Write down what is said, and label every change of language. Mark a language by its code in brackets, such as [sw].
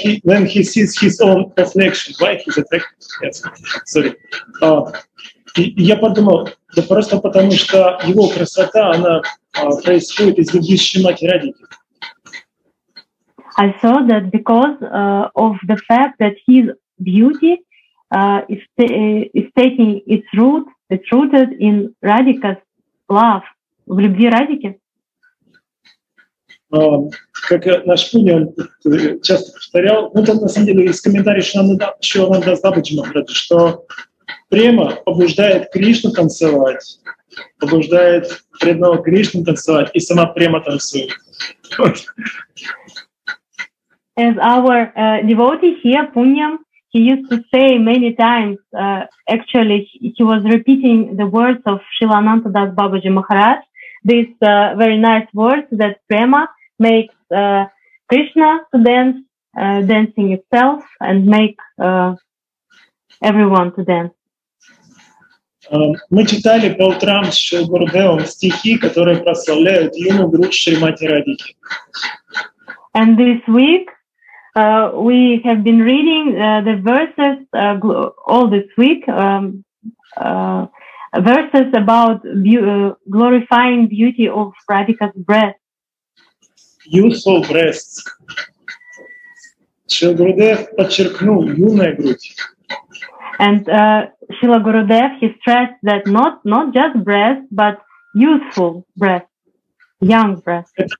[en] When he sees his own reflection, why he's attracted? Yes, sorry. [ru] Я подумал, да просто потому что его красота, она происходит из любви Шримати Радхики. [en] I saw that because of the fact that his beauty is taking its root. It's rooted in Radhika's love, [ru] в любви Радхики. Как наш Пуни часто повторял, ну это на самом деле из комментариев Шриманда Сдабаджи Махараджи, что према побуждает Кришну танцевать, побуждает преданного Кришну танцевать, и сама према танцует. [en] As our devotee here, Пуням, he used to say many times, actually, he was repeating the words of Srila Anantadas Babaji Maharaj, these very nice words that prema makes Krishna to dance, dancing itself, and make everyone to dance. [ru] Мы читали по утрам с Шрила Гурудевом стихи, которые прославляют юную грудь Шримати Радхики. [en] And this week, we have been reading the verses all this week, verses about glorifying beauty of Radhika's breast. Youthful breasts. [ru] Шрила Гурудев подчеркнул юная грудь. [en] And Шрила Гурудев, he stressed that not just breast, but youthful breast, young breast.